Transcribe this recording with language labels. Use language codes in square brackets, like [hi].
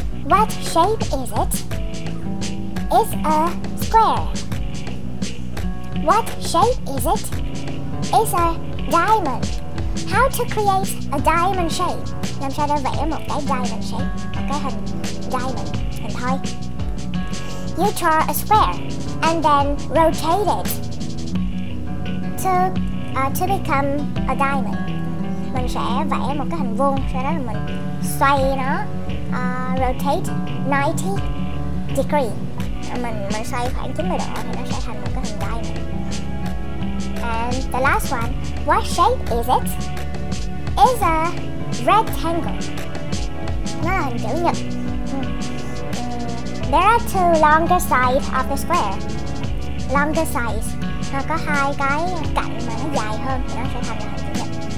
[en] What shape is it? It's a square. What shape is it? It's a diamond. How to create a diamond shape? [vi] Làm sao để vẽ một cái diamond shape? Cái hình diamond, hình thoi. [en] You draw a square and then rotate it to become a diamond. [vi] Mình sẽ vẽ một cái hình vuông, sau đó là mình xoay nó, [en] rotate 90 degree. [vi] Mình xoay khoảng 90 độ thì nó sẽ thành một cái hình diamond. [en] And the last one, what shape is it? It's a rectangle. [vi] Nó là hình chữ nhật. [en] There are two longer sides of the square. Longer sides. [vi] Nó có hai cái cạnh mà nó dài hơn thì nó sẽ thành là hình chữ nhật.